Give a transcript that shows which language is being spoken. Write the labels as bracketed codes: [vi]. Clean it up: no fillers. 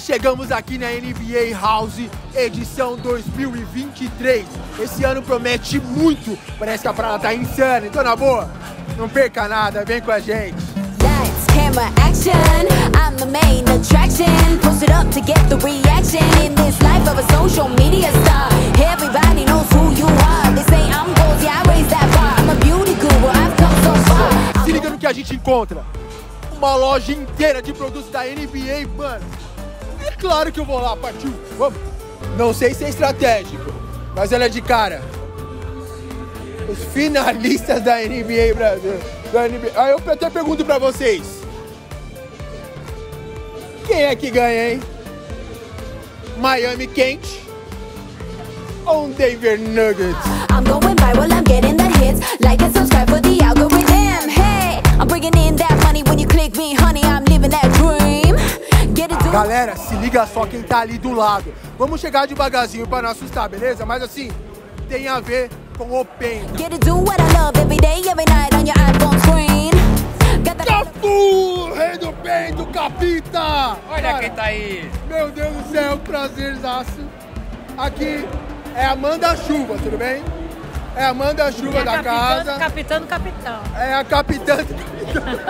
[pt] Chegamos aqui na NBA House, edição 2023. Esse ano promete muito. Parece que a parada tá insana. Então, na boa, não perca nada. Vem com a gente. [en] Lights, camera, action. I'm the main attraction. Post it up to get the reaction. In this life of a social media star, everybody knows who you are. They say I'm gold, yeah, I raised that bar. I'm a beauty guru, I've come so far. [pt] Se liga no que a gente encontra. Uma loja inteira de produtos da NBA, mano. É claro que eu vou lá, partiu. Vamos. Não sei se é estratégico, mas olha de cara. Os finalistas da NBA Brasil. Aí eu até pergunto pra vocês. Quem é que ganha, hein? Miami Kent ou Denver Nuggets? [en] I'm going viral, I'm getting the hits. Like and subscribe for the algorithm. Hey, I'm bringing in that money when you click me, honey. I'm living that dream. Get it, [pt] galera, se liga só quem tá ali do lado. Vamos chegar devagarzinho pra não assustar, beleza? Mas assim, tem a ver com o pain. [en] Get it, do what I love every day, every night on your iPhone screen. [pt] Cafu, rei do peito, capita! Olha, cara, quem tá aí! Meu Deus do céu, prazerzaço! Aqui é a manda-chuva, tudo bem? É a manda-chuva da casa. É a capitã do capitão.